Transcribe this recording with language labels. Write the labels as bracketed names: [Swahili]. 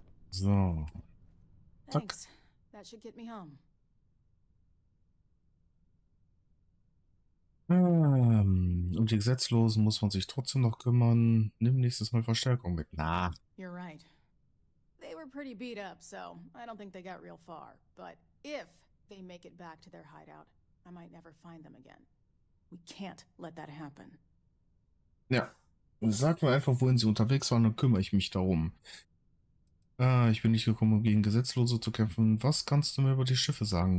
[English] So. Zack. That should get me home. [German] Um die Gesetzlosen muss man sich trotzdem noch kümmern. Nimm nächstes Mal Verstärkung mit. Na. [English] You're right. They were pretty beat up, so I don't think they got real far. But if they make it back to their hideout, I might never find them again. We can't let that happen. Ja. [German] Sag mir einfach, wohin sie unterwegs waren, dann kümmere ich mich darum. Ich bin nicht gekommen, um gegen Gesetzlose zu kämpfen. Was kannst du mir über die Schiffe sagen?